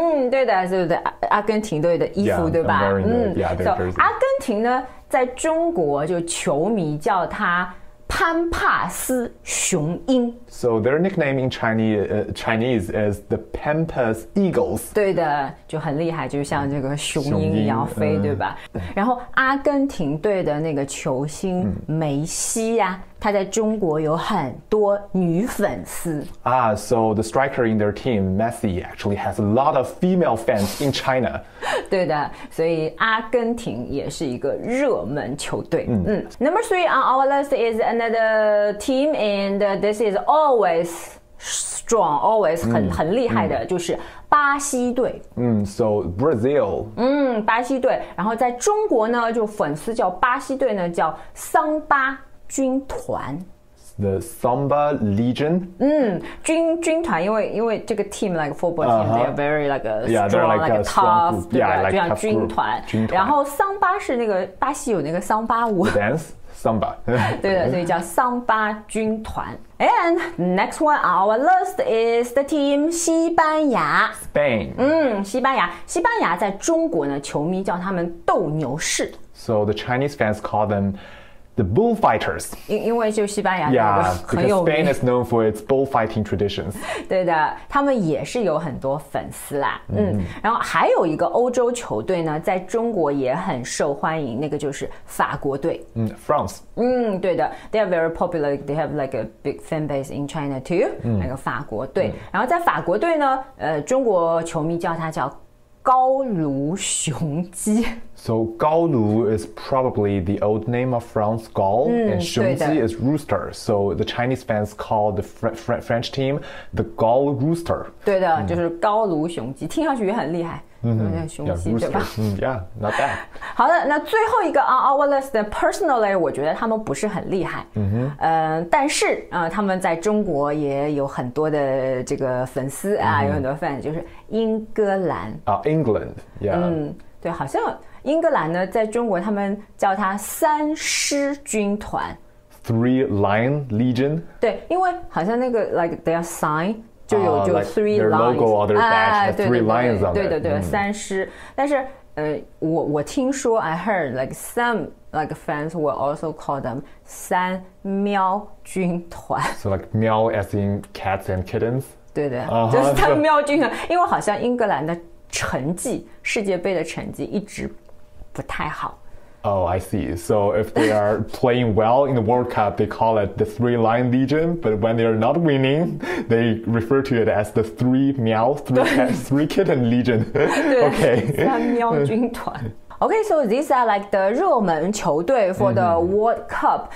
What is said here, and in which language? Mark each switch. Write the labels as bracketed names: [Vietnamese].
[Chinese] 对的，就是阿根廷队的衣服， [English] yeah, [Chinese] 对吧？ [English] Yeah, [Chinese] so, 阿根廷呢，在中国就球迷叫他潘帕斯雄鹰。 [English] So their nickname in Chinese is the Pampas Eagles. [Chinese] 对的，就很厉害，就像这个雄鹰一样飞，对吧？然后阿根廷队的那个球星梅西呀、他在中国有很多女粉丝。 [English] So the striker in their team, Messi, actually has a lot of female fans in China. [Chinese] 对的，所以阿根廷也是一个热门球队。 [English] Number three on our list is another team, and this is always strong, always [Chinese] 很厉害的，就是巴西队。 [English] So Brazil. [Chinese] 巴西队。然后在中国呢，就粉丝叫巴西队呢，叫桑巴。军团 [English] The Samba Legion [Chinese] 军团因为这个 [English] team like football team、they are very like a strong yeah, like, like a tough strong group, [Chinese] 对吧 [English] yeah, like [Chinese] 就像军团然后桑巴是那个巴西有那个桑巴舞 [English] Dance Samba [Chinese] 对的所以叫桑巴军团 [English] And next one our list is the team 西班牙 Spain [Chinese] 西班牙在中国呢球迷叫他们斗牛士 [English] So the Chinese fans call themThe bullfighters. [Chinese] 因为就西班牙 [English] yeah, [Chinese] 很有名 [English] because Spain is known for its bullfighting traditions. [Chinese] 对的，他们也是有很多粉丝啦。然后还有一个欧洲球队呢，在中国也很受欢迎，那个就是法国队。 [English] France. 对的 ，they are very popular. They have like a big fan base in China too. [Chinese] 那个法国队。然后在法国队呢，中国球迷叫高卢雄鸡 [English] So 高卢 is probably the old name of France Gaul and 雄鸡 is rooster So the Chinese fans call the French team the Gaul Rooster [Chinese] 对的就是高卢雄鸡听上去也很厉害雄鸡对吧 [English] Yeah, not bad [Chinese] 好的那最后一个 [English] on our list personally [Chinese] 我觉得他们不是很厉害、但是、他们在中国也有很多的这个粉丝、有很多 fans 就是英格兰 [English] England yeah、 [Chinese] 对好像英格兰呢在中国他们叫它三狮军团 [English] Three Lion Legion [Chinese] 对因为好像那个 [English] like their sign [Chinese] 就有就 three [English] like their logo lines, or their badge has three lions on it. [Chinese] 对的对的，三狮。但是，我听说 [English] I heard like some like fans will also call them [Chinese] 三喵军团。 [English] So like 喵 as in cats and kittens. [Chinese] 对的，就是三喵军团。因为好像英格兰的成绩，世界杯的成绩一直不太好。 [English] Oh, I see. So if they are playing well in the World Cup, they call it the Three Lion Legion. But when they are not winning, they refer to it as the Three Meow, Three Kitten Legion. Okay. [Chinese] 三喵军团. [English] Okay, so these are like the 热门球队 for the World Cup.